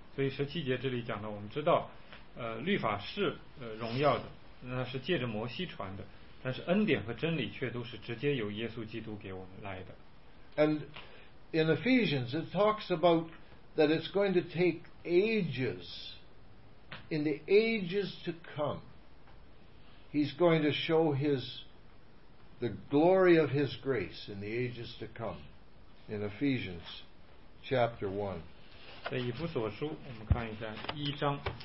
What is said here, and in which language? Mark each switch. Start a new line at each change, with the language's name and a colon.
Chinese: 所以十七节这里讲的，我们知道，律法是荣耀的，那是借着摩西传的，但是恩典和真理却都是直接由耶稣基督给我们来的。
English: And in Ephesians, it talks about that it's going to take ages, in the ages to come, He's going to show His. The glory of His grace in the ages to come, in Ephesians chapter 1.
Chinese: 在以弗所书，我们看一下一章。